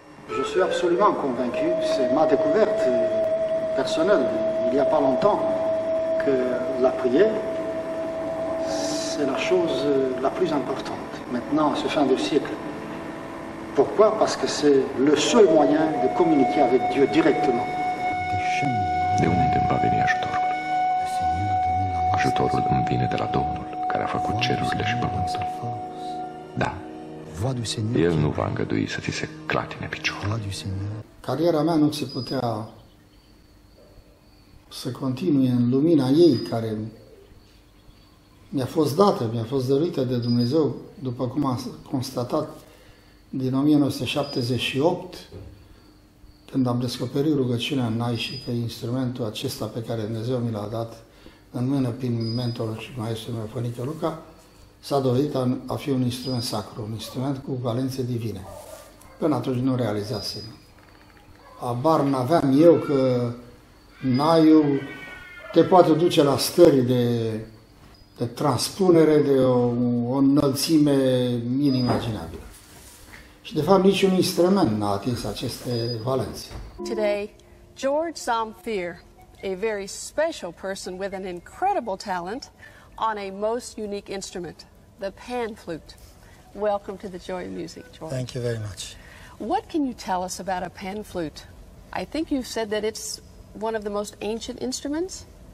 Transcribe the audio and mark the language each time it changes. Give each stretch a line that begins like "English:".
French: Je suis absolument convaincu, c'est ma découverte personnelle, il n'y a pas longtemps, que la prière, c'est la chose la plus importante maintenant, à ce fin de siècle. Pourquoi? Parce que c'est le seul moyen de communiquer avec Dieu directement.
Romanian: De unde va veni ajutorul? Ajutorul îmi vine de la Domnul, care a făcut cerurile și pământul. Da. El nu va îngădui să ți se clatine piciorul. Cariera mea nu se putea să continue în lumina ei, care mi-a fost dată, mi-a fost dăruită de Dumnezeu, după cum am constatat din 1978, când am descoperit rugăciunea Nai și că instrumentul acesta pe care Dumnezeu mi l-a dat în mână prin mentorul și maestrul meu, Fănică Luca, s-a dovedit a fi un instrument sacru, un instrument cu valențe divine. Până atunci nu realizasem. Abar n-aveam eu că Naiul te poate duce la stări de transpunere, de o înălțime inimaginabilă. Și de fapt niciun instrument n-a atins aceste valențe.
English: Today, George Zamfir, a very special person with an incredible talent on a most unique instrument, the pan flute. Welcome to the Joy of Music, George. Thank you very much. What can you tell us about a pan flute? I think you've said that it's one of the most ancient instruments.